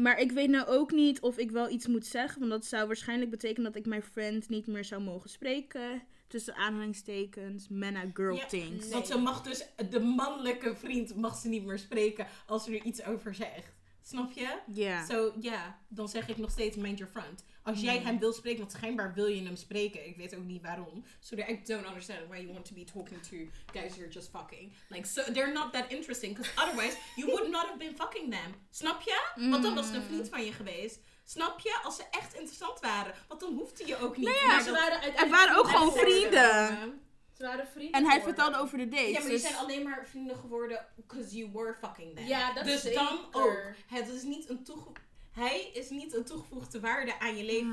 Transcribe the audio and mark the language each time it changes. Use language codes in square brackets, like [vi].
[nl] Maar ik weet nou ook niet of ik wel iets moet zeggen. Want dat zou waarschijnlijk betekenen dat ik mijn friend niet meer zou mogen spreken. Tussen aanhalingstekens, Mena Girl Things. Nee. Want ze mag dus, de mannelijke vriend mag ze niet meer spreken als ze er iets over zegt. Snap je? Dan zeg ik nog steeds [en] mind your front. [nl] Als jij hem wil spreken, want schijnbaar wil je hem spreken. Ik weet ook niet waarom. [en] So I don't understand why you want to be talking to guys you're just fucking. Like, so they're not that interesting. Because otherwise, you would not have been fucking them. [nl] Snap je? Want dan was het een vriend van je geweest. Snap je? Als ze echt interessant waren. Want dan hoefde je ook niet. Nou ja, ze waren ook gewoon vrienden. Ze waren vrienden. En hij vertelde over de dates. Ja, maar dus... die zijn alleen maar vrienden geworden. [en] Because you were fucking them. [nl] Ja, dat dus zeker. Dan ook. Het is niet een hij is niet een toegevoegde waarde aan je leven.